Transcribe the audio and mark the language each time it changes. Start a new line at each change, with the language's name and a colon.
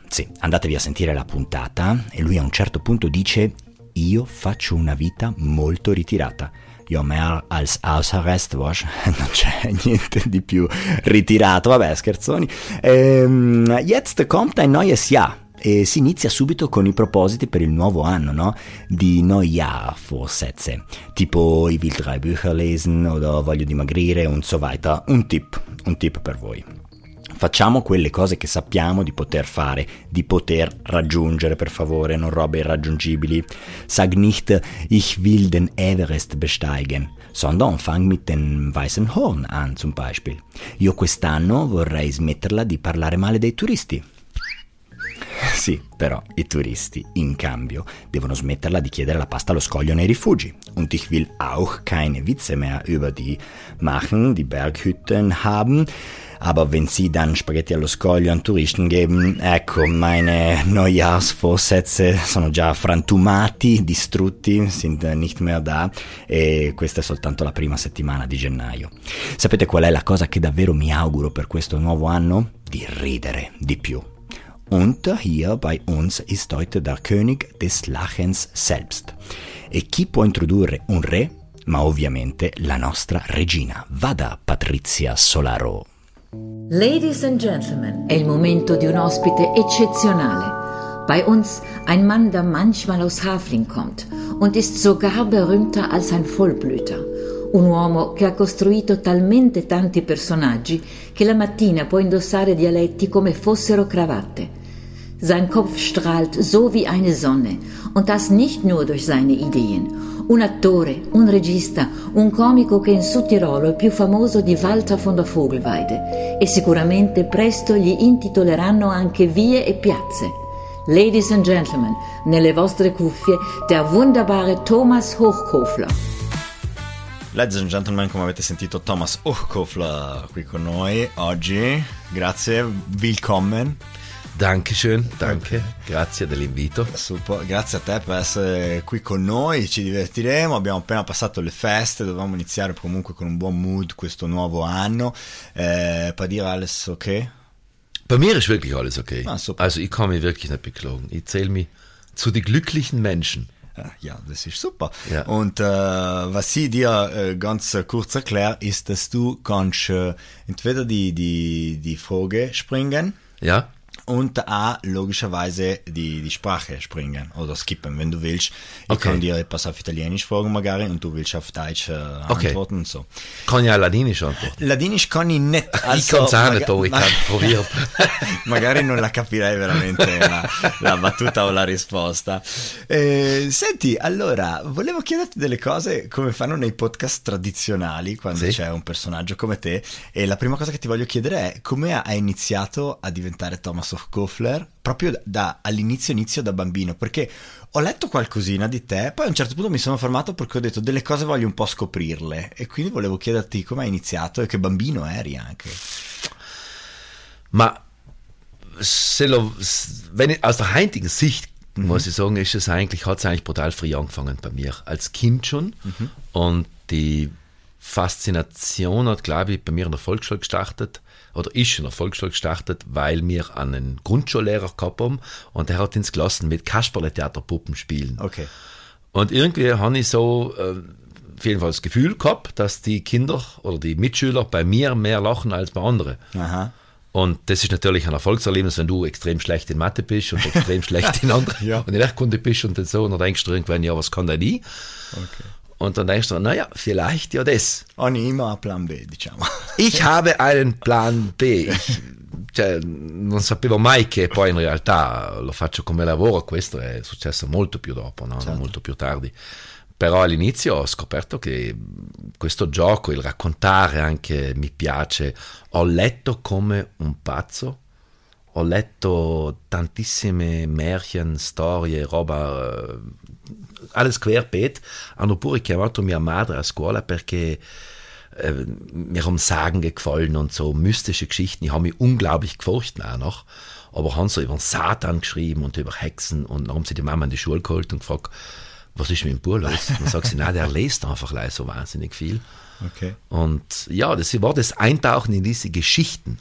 Italian: Sì, andatevi a sentire la puntata e lui a un certo punto dice «Io faccio una vita molto ritirata». Io
German: mehr als Hausarrest, was?
Italian: Non c'è niente di più ritirato, vabbè, scherzoni.
German: Jetzt kommt ein neues Jahr.
Italian: E si inizia subito con i propositi per il nuovo anno, no?
German: Di Neujahr, vorsätze.
Italian: Tipo,
German: ich will drei Bücher lesen oder
Italian: voglio dimagrire
German: und so weiter.
Italian: Un tip per voi. Facciamo quelle cose che sappiamo di poter fare, di poter raggiungere, per favore, non robe irraggiungibili.
German: Sag nicht, ich will den Everest besteigen, sondern fang mit dem Weißen Horn an, zum Beispiel.
Italian: Io quest'anno vorrei smetterla di parlare male dei turisti. Sì, però i turisti, in cambio, devono smetterla di chiedere la pasta allo scoglio nei rifugi.
German: Und ich will auch keine Witze mehr über die machen, die Berghütten haben, aber wenn sie dann Spaghetti allo scoglio an Touristen geben,
Italian: ecco,
German: meine Neujahrsvorsätze
Italian: sono già frantumati, distrutti,
German: sind nicht mehr da,
Italian: e questa è soltanto la prima settimana di gennaio. Sapete qual è la cosa che davvero mi auguro per questo nuovo anno? Di ridere di più.
German: Und hier bei uns ist heute der König des Lachens selbst.
Italian: E chi può introdurre un re? Ma ovviamente la nostra regina. Vada, Patrizia Solaro.
English: Ladies and gentlemen,
Italian: è il momento di un ospite eccezionale.
German: Bei uns ein Mann, der manchmal aus Hafling kommt und ist sogar berühmter als ein Vollblüter.
Italian: Un uomo che ha costruito talmente tanti personaggi che la mattina può indossare dialetti come fossero cravatte.
German: Sein Kopf strahlt so wie eine Sonne und das nicht nur durch seine Ideen.
Italian: Un attore, un regista, un comico che in Südtirolo è più famoso di Walter von der Vogelweide e sicuramente presto gli intitoleranno anche vie e piazze.
English: Ladies and gentlemen,
Italian: nelle vostre cuffie
German: der wunderbare
Italian: Thomas Hochkofler.
English: Ladies and gentlemen,
Italian: come avete sentito, Thomas Hochkofler qui con noi oggi. Grazie,
German: willkommen.
Italian: Dankeschön, danke, grazie dell'invito. Super, grazie a te per essere qui con noi, ci divertiremo. Abbiamo appena passato le feste, dovevamo iniziare comunque con un buon mood questo nuovo anno. Per dire
German: alles ok?
Italian: Per me è
German: wirklich alles ok.
Italian: Ah, super.
German: Also, ich komme wirklich nicht beklagen. Ich zähle mich zu den glücklichen Menschen. Ja, das ist super. Ja. Und was ich dir ganz kurz erkläre, ist, dass du kannst entweder die Frage springen, ja, und auch logischerweise die Sprache springen oder skippen, wenn du willst. Ich okay. kann dir etwas auf Italienisch fragen,
Italian: magari,
German: und du willst auf Deutsch okay. antworten. So. Kann ich auch Ladinisch antworten? Ladinisch kann ich nicht. Also, ich kann es auch nicht, ich kann probieren.
Italian: Magari non la capirei veramente la battuta o la risposta. Senti, allora, volevo chiederti delle cose come fanno nei podcast tradizionali quando sì. c'è un personaggio come te. E la prima cosa che ti voglio chiedere è come hai iniziato a diventare Thomas Hochkofler, proprio all'inizio da bambino, perché ho letto qualcosina di te, poi a un certo punto mi sono fermato perché ho detto delle cose voglio un po' scoprirle, e quindi volevo chiederti come hai iniziato e che bambino eri anche.
German: Ma aus der heutigen Sicht muss ich sagen, ist es eigentlich, hat es eigentlich brutal früh angefangen bei mir, als Kind schon, und die Faszination hat, glaube ich, bei mir in der Volksschule gestartet, oder ist in der Volksschule gestartet, weil wir einen Grundschullehrer gehabt haben und der hat ins Klassen mit Kasperle-Theaterpuppen spielen. Okay. Und irgendwie habe ich so auf jeden Fall das Gefühl gehabt, dass die Kinder oder die Mitschüler bei mir mehr lachen als bei anderen. Aha. Und das ist natürlich ein Erfolgserlebnis, wenn du extrem schlecht in Mathe bist und extrem schlecht in anderen ja. und in Erdkunde bist und so, und dann denkst du irgendwann, ja, was kann der nie? Okay. Und dann denkst du, naja, vielleicht ja das. Und immer Plan B,
Italian: diciamo.
German: Ich habe einen Plan B.
Italian: Non sapevo mai che poi in realtà lo faccio come lavoro. Questo è successo molto più dopo, no? Certo. Molto più tardi. Però all'inizio ho scoperto che questo gioco, il raccontare anche, mi piace. Ho letto come un pazzo. Ho letto tantissime Märchen, storie, roba...
German: alles querbeet,
Italian: hanno pure chiamato mia madre a scuola perché
German: mir haben Sagen gefallen und so mystische Geschichten. Ich habe mich unglaublich gefurcht auch noch. Aber haben so über den Satan geschrieben und über Hexen. Und dann haben sie die Mama in die Schule geholt und gefragt, was ist mit dem Bub los? Dann sagt sie, nein, der liest einfach so wahnsinnig viel. Okay. Und ja, das war das Eintauchen in diese Geschichten.